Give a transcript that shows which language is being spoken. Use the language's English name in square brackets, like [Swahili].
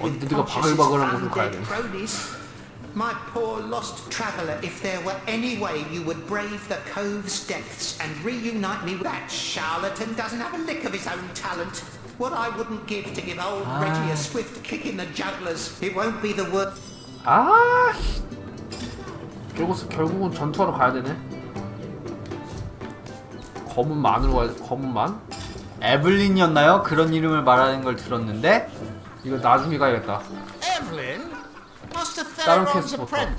[Korean] 어디가 바글바글한 곳으로 가야 돼. [English] My poor lost traveller, if there were any way you would brave the cove's depths and reunite me with that charlatan doesn't have a lick of his own talent. What I wouldn't give to give old Reggie a swift kick in the jugglers. It won't be the worst. [Korean] 아. 결국은 전투하러 가야 되네. 검은 만으로 가야 검은 만? 에블린이었나요? 그런 이름을 말하는 걸 들었는데 이거 나중에 가야겠다. 에블린 다른 캐스터부터